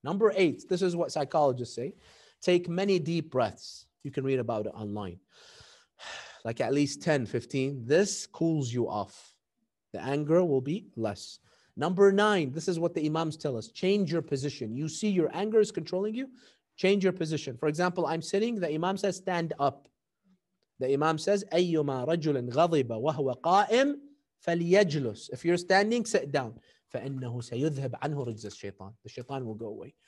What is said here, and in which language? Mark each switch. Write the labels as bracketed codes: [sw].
[en] Number eight, this is what psychologists say. Take many deep breaths. You can read about it online. Like at least 10, 15. This cools you off. The anger will be less. Number nine, this is what the imams tell us. Change your position. You see your anger is controlling you. Change your position. For example, I'm sitting. The imam says, stand up. The imam says, [ar] أَيُّمَا رَجُلٍ غَضِبَ وَهُوَ قَائِمٍ فَلْيَجْلُسُ. [en] If you're standing, sit down. [ar] فَإِنَّهُ سَيُذْهِبْ عَنْهُ رِجْزَ الشَّيْطَانِ. [en] The shaitan will go away.